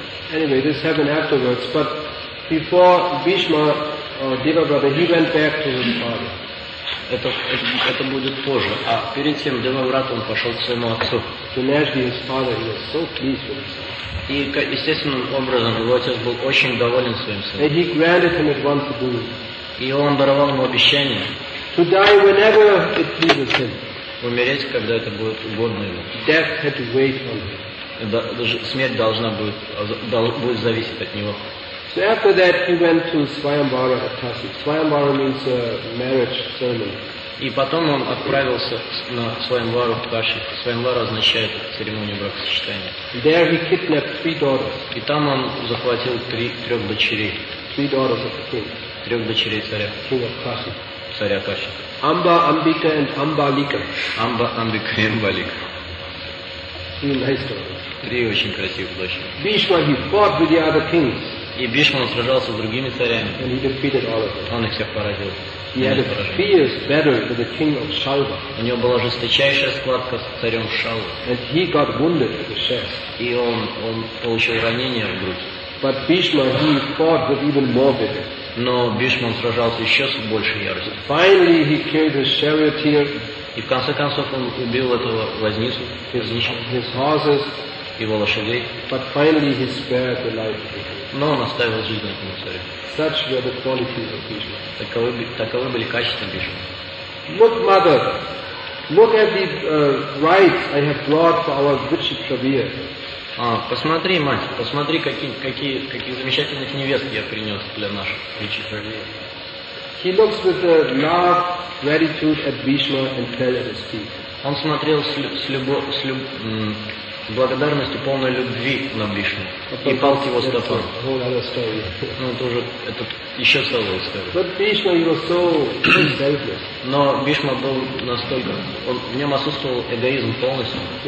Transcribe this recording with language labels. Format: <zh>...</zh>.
<en>Anyway, this happened afterwards, but before Bhishma or Devavrata, he went back to his father.</en> <ru>Это будет позже. А перед тем Девавратом он пошел к своему отцу.</ru> <en>To Najdi, his father, he was so pleased with his father.</en> <ru>И естественным образом его отец был очень доволен своим сыном.</ru> <en>And he granted him at once a boon.</en> <ru>И он даровал ему обещание.</ru> <en>To die whenever it pleases him.</en> <ru>Умереть, когда это будет угодно ему.</ru> <en>Death had to wait on him.</en> <ru>Смерть должна будет зависеть от него.</ru> <en>So after that he went to Svayamvara at Kashi. Svayamvara means a marriage ceremony.</en> <ru>И потом он отправился на Svayamvara в Каши. Svayamvara означает церемонию бракосочетания.</ru> <en>There he kidnapped three daughters.</en> <ru>И там он захватил трех дочерей.</ru> <en>Three daughters of the king.</en> <ru>Трех дочерей царя.</ru> <en>King of Kashi.</en> <ru>Царя Каши.</ru> <en>Amba, Ambika and Ambalika.</en> <ru>Amba, Ambika и Ambalika.</ru> <en>Three nice daughters.</en> <ru>Три очень красивых дочери.</ru> <en>Bhishma, he fought with the other kings.</en> <ru>И Бишма сражался с другими царями.</ru> <en>And he defeated all of them.</en> <ru>Он их всех поразил.</ru> <en>He had a fierce battle with the king of Shalva.</en> <ru>У него была жесточайшая схватка с царем Шалва.</ru> <en>And he got wounded at the chest.</en> <ru>И он получил ранение в грудь.</ru> <en>But Bhishma, he fought with even more vigor.</en> <ru>Но Бишма сражался еще с большей яростью.</ru> <en>Finally, he killed his charioteer.</en> <ru>И в конце концов он убил этого возницу.</ru> <en>His horses.</en> <ru>Его лошадей.</ru> <en>But finally, he spared the life of the king.</en> <ru>Но он оставил жизнь этому царю.</ru> <en>Such were the qualities of Bhishma.</en> <ru>Таковы были качества Бишмы.</ru> <en>Look, mother, look at the rites I have brought for our Vichitravir.</en> <ru>А, посмотри, мать, посмотри, какие замечательных невест я принес для наших Vichitravir.</ru> <en>He looks with a love, gratitude at Bhishma and fell at his feet.</en> <ru>Он смотрел с благодарностью, полной любви на Бишму. И пал к его стопам. Ну, это еще целая история. Но Бишма был настолько... В нем отсутствовал эгоизм полностью.</ru>